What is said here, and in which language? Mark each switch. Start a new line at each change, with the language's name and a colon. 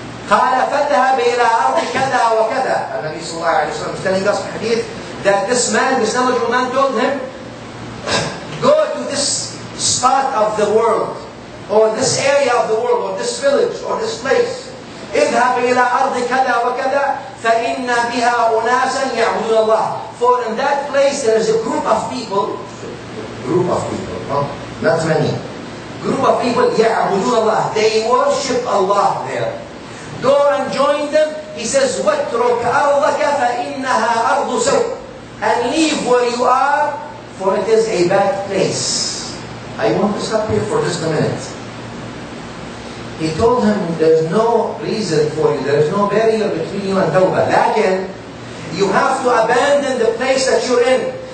Arabic: قال فذهب إلى أرض كذا وكذا.
English: Nabi Sallallahu Alaihi Wasallam is telling us in hadith that this man, this knowledgeable man, told him, go to this spot of the world, or this area of the world, or this village, or this place.
Arabic: اذهب إلى أرض كذا وكذا فإن بها أناسا يعبدون الله.
English: For in that place there is a group of people. Group of people, huh? Not many. Group of people
Arabic: يعبدون الله.
English: They worship Allah there. Go and join them. He says,
Arabic: واترك أرضك فإنها أرض سوء.
English: And leave where you are, for it is a bad place. I want to stop here for just a minute. He told him, there's no reason for you, there's no barrier between you and Tawbah. Lakin, you have to abandon the place that you're in.